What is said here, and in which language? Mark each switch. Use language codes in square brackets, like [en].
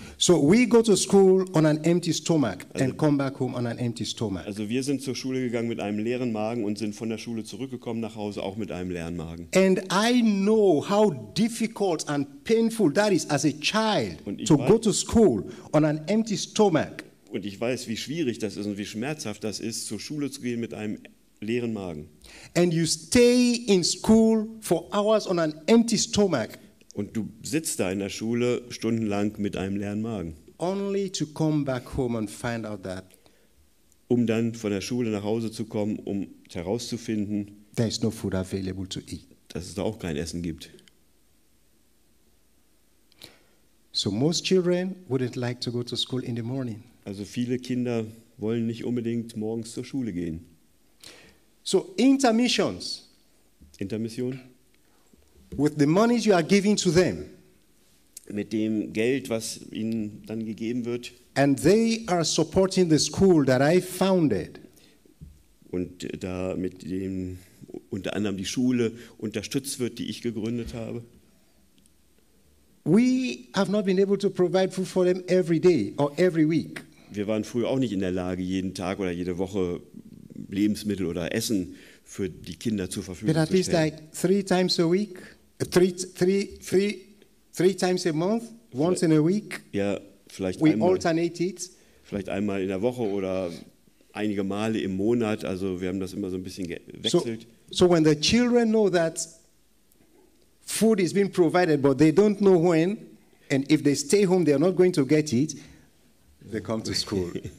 [en] So we go to school on an empty stomach and come back home on an empty stomach. [de] Also wir sind zur Schule gegangen mit einem leeren Magen und sind von der Schule zurückgekommen nach Hause auch mit einem leeren Magen. [en] And I know how difficult and painful that is as a child to go to school on an empty stomach. [de] Und ich weiß, wie schwierig das ist und wie schmerzhaft das ist, zur Schule zu gehen mit einem leeren Magen. [en] And you stay in school for hours on an empty stomach. [de] Und du sitzt da in der Schule stundenlang mit einem leeren Magen. [en] Only to come back home and find out that, [de] um dann von der Schule nach Hause zu kommen, um herauszufinden, [en] there is no food available to eat. [de] Dass es da auch kein Essen gibt. [en] So most children wouldn't like to go to school in the morning. [de] Also viele Kinder wollen nicht unbedingt morgens zur Schule gehen. [en] So intermissions. [de] Intermission. [en] With the monies you are giving to them, [de] mit dem Geld, was ihnen dann gegeben wird, [en] and they are supporting the school that I founded, [de] und da mit dem unter anderem die Schule unterstützt wird, die ich gegründet habe, [en] we have not been able to provide food for them every day or every week. [de] Wir waren früher auch nicht in der Lage, jeden Tag oder jede Woche Lebensmittel oder Essen für die Kinder zur Verfügung zu stellen. [en] But at least like three times a month, once in a week. [de] Ja, vielleicht [en] we [de] einmal. [en] We alternated. [de] Vielleicht einmal in der Woche oder einige Male im Monat. Also wir haben das immer so ein bisschen gewechselt. [en] So when the children know that food is being provided, but they don't know when, and if they stay home, they are not going to get it, they come to school.